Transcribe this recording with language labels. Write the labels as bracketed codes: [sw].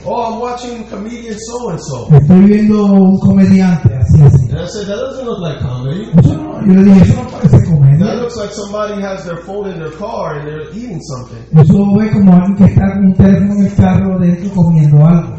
[en] Oh, I'm watching comedian so and so. [es] Estoy viendo un comediante así así. [en] And I said, that doesn't look like comedy. [es] Eso no, yo le dije, eso no parece comedia. [en] That looks like somebody has their phone in their car and they're eating something. [es] Eso ve como alguien que está con un teléfono en el carro dentro comiendo algo.